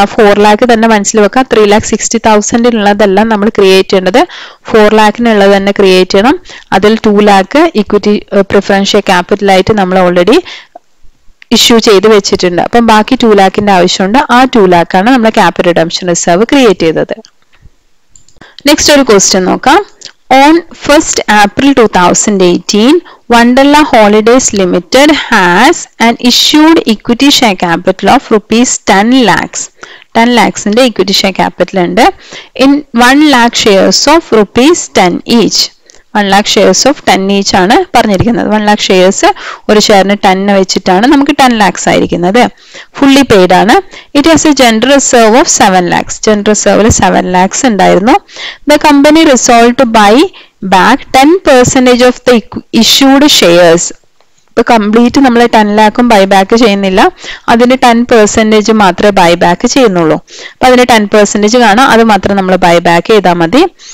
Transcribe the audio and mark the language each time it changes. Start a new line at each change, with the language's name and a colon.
Malayalam: ആ 4 lakh തന്നെ മനസ്സിൽ വെക്കുക. 3,60,000 നമ്മൾ ക്രിയേറ്റ് ചെയ്യേണ്ടത്, 4 lakh തന്നെ ക്രിയേറ്റ് ചെയ്യണം. അതിൽ 2 lakh equity preference share capital ആയിട്ട് നമ്മൾ ഓൾറെഡി ഇഷ്യൂ ചെയ്ത് വെച്ചിട്ടുണ്ട്. അപ്പം ബാക്കി 2 lakh ആവശ്യമുണ്ട്. ആ 2 lakh ആണ് നമ്മുടെ ക്യാപിറ്റൽ റിഡംപ്ഷൻ റിസർവ് ക്രിയേറ്റ് ചെയ്തത്. നെക്സ്റ്റ് ഒരു ക്വസ്റ്റ്യൻ നോക്കാം.
English: On 1st April 2018, Wonderla Holidays Limited has an issued equity share capital of rupees 10 lakhs. 10 lakhs in the equity share capital and in 1 lakh shares of rupees 10 each. 1 lakh shares of 10 each
Malayalam: ആണ് പറഞ്ഞിരിക്കുന്നത് 1 lakh shares ഒരു ഷെയറിന് 10 എന്ന് വെച്ചിട്ടാണ് നമുക്ക് 10 lakhs ആയിരിക്കുന്നത് fully paid ആണ്
English: it has a general reserve of 7 lakhs
Malayalam: general റിസർവിൽ 7 lakhs ഉണ്ടായിരുന്നു
English: the company resolved to buy back 10% of the issued shares
Malayalam: ഇപ്പോൾ കംപ്ലീറ്റ് നമ്മൾ 10 ലാക്കും ബൈ ബാക്ക് ചെയ്യുന്നില്ല അതിന് 10% മാത്രമേ ബൈ ബാക്ക് ചെയ്യുന്നുള്ളൂ അപ്പോൾ അതിന് 10% കാണാം അത് മാത്രം നമ്മൾ ബൈ ബാക്ക് ചെയ്താൽ മതി